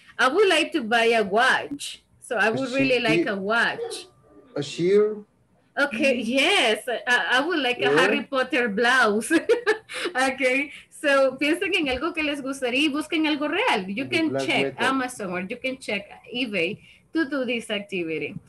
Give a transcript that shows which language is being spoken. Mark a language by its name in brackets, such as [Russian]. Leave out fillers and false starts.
[English] I would like to buy a watch. So I would really like a watch. A shear. Okay, yes, I would like a Harry Potter blouse. [Spanish] Okay, so piensen en algo que les gustaría y busquen algo real. [English] You can check Amazon or you can check eBay to do this activity.